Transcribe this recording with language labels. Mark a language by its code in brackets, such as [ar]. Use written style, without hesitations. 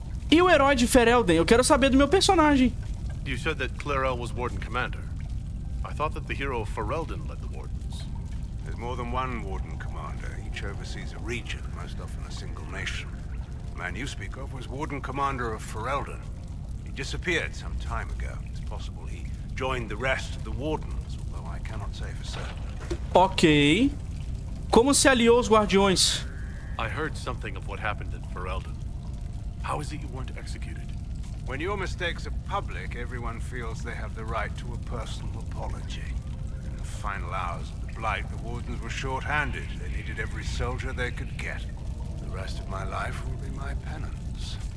[pt] E o herói de Ferelden? Eu quero saber do meu personagem. [en] You said that Clarel was Warden Commander. I thought that the hero of Ferelden led the Wardens. There's more than one Warden Commander. Each oversees a region, most often a single nation. The man you speak of was Warden Commander of Ferelden. He disappeared some time ago. It's possible he joined the rest of the Wardens, although I cannot say for certain. Ok. [pt] Como se aliou aos Guardiões? [en] I heard something of what happened in Ferelden. How is it you weren't executed? When your mistakes are public, everyone feels they have the right to a personal apology. In the final hours of the Blight, the Wardens were short-handed. They needed every soldier they could get. The rest of my life will be my penance.